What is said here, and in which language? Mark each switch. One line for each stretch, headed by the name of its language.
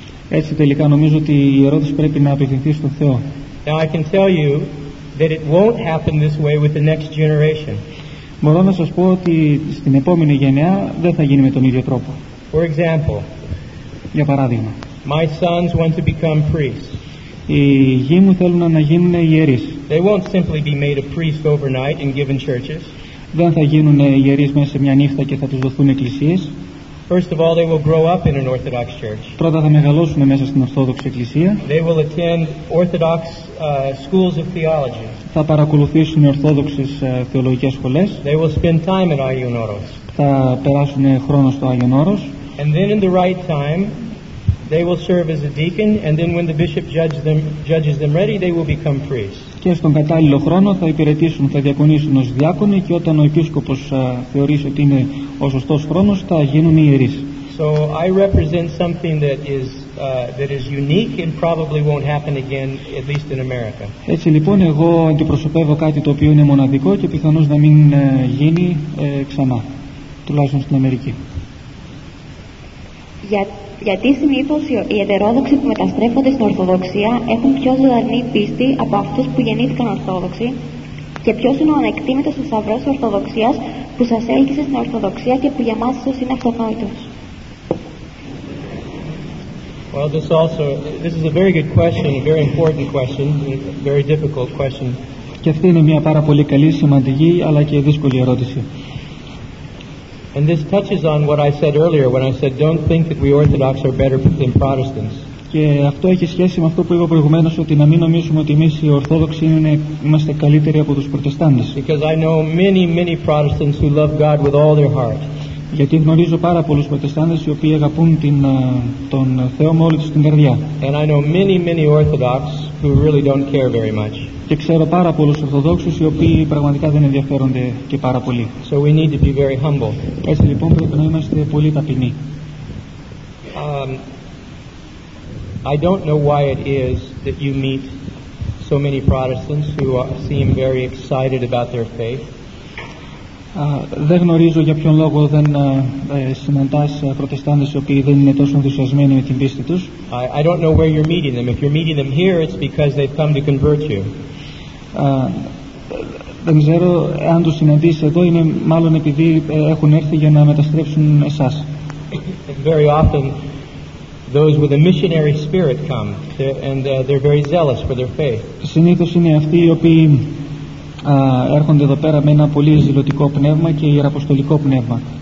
Greek: Έτσι τελικά νομίζω ότι η ερώτηση πρέπει να απευθυνθεί στον Θεό.
English: Now I can tell you that it won't happen this way with the next generation.
Greek: Μπορώ να σας πω ότι στην επόμενη γενιά δεν θα γίνει με τον ίδιο τρόπο.
English: For example,
Greek: για παράδειγμα,
English: my sons want to become priests.
Greek: Οι γιοί μου θέλουν να γίνουν ιερείς.
English: They won't simply be made a priest overnight and given churches.
Greek: δεν θα γίνουν ιερείς μέσα σε μια νύχτα και θα τους δοθούν εκκλησίες.
English: First of all, they will grow up in an Orthodox church.
Greek: Πρώτα θα μεγαλώσουν μέσα στην Ορθόδοξη Εκκλησία.
English: They will attend Orthodox schools of theology.
Greek: Θα παρακολουθήσουν Ορθόδοξες θεολογικές σχολές.
English: They will spend time in Agion Oros.
Greek: Θα περάσουν χρόνο στο Άγιον Όρος.
English: And then in the right time, they will serve as a deacon, and then when the bishop judges them ready, they will become priests.
Greek: Και στον κατάλληλο χρόνο θα υπηρετήσουν, θα διακονήσουν ως διάκονοι, και όταν ο επίσκοπος θεωρήσει ότι είναι ο σωστός χρόνος, θα γίνουν ιερείς.
English: So I represent something that is unique and probably won't happen again, at least in America.
Greek: Έτσι λοιπόν, εγώ αντιπροσωπεύω κάτι το οποίο είναι μοναδικό και πιθανώς να μην γίνει ξανά, τουλάχιστον στην Αμερική. Γιατί συνήθως οι ετερόδοξοι που μεταστρέφονται στην Ορθοδοξία έχουν πιο ζωντανή πίστη από αυτούς που γεννήθηκαν Ορθόδοξοι, και ποιος είναι ο ανεκτήμητος θησαυρός της Ορθοδοξίας που σας έλκυσε στην Ορθοδοξία και που για μας ίσως είναι αυτονόητος?
English: Well, this is a very good question, a very important question, a very difficult question.
Greek: Και αυτή είναι μια πάρα πολύ καλή, σημαντική, αλλά και δύσκολη ερώτηση.
English: And this touches on what I said earlier when I said don't think that we Orthodox are better than Protestants.
Greek: Και αυτό έχει σχέση με αυτό που είπα προηγουμένως, ότι να μην νομίζουμε ότι εμείς οι Ορθόδοξοι είμαστε καλύτεροι από τους Προτεστάντες.
English: Because I know many, many Protestants who love God with all their heart.
Greek: Γιατί γνωρίζω πάρα πολλούς Προτεστάντες οι οποίοι αγαπούν τον Θεό με όλη τους την καρδιά.
English: And I know many, many Orthodox who really don't care very much.
Greek: Και ξέρω πάρα πολλούς Ορθοδόξους οι οποίοι πραγματικά δεν ενδιαφέρονται και πάρα πολύ.
English: So we need to be very humble.
Greek: Έτσι λοιπόν πρέπει να είμαστε πολύ ταπεινοί.
English: I don't know why it is that you meet so many Protestants who seem very excited about their faith.
Greek: Δεν γνωρίζω για ποιον λόγο δεν συναντάς Προτεστάντες οι οποίοι δεν είναι τόσο ενθουσιασμένοι με την πίστη τους.
English: I don't know where you're meeting them. If you're meeting them here, it's because they've come to convert you.
Greek: Δεν ξέρω αν τους συναντήσεις εδώ, είναι μάλλον επειδή έχουν έρθει για να μεταστρέψουν εσάς.
English: Very often those with a missionary spirit come, and they're very zealous for their faith.
Greek: Συνήθως είναι αυτοί οι οποίοι έρχονται εδώ πέρα με ένα πολύ ζηλωτικό πνεύμα και ιεραποστολικό πνεύμα.